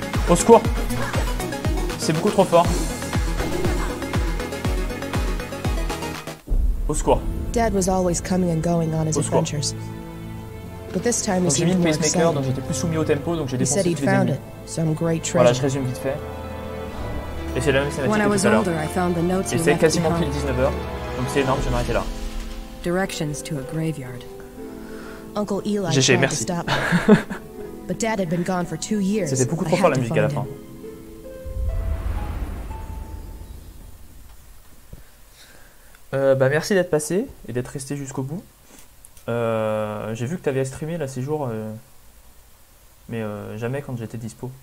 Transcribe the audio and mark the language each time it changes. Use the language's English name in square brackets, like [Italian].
[French] Au secours. C'est beaucoup trop fort. Au secours. [English] Dad was always coming and going on his adventures. But this time he seemed more excited. [French] Donc j'étais plus soumis au tempo, donc j'ai défoncé tous les ennemis. Voilà, je résume vite fait. Et c'est la même scène tout à l'heure. Et c'est quasiment pile 19h. Donc c'est énorme, je vais m'arrêter là. [English] Directions to a graveyard. Uncle Eli GG, merci. But Dad had been gone for 2 years. [French] C'était beaucoup trop fort la musique à la fin. Bah merci d'être passé et d'être resté jusqu'au bout. J'ai vu que t'avais streamé là ces jours, mais jamais quand j'étais dispo.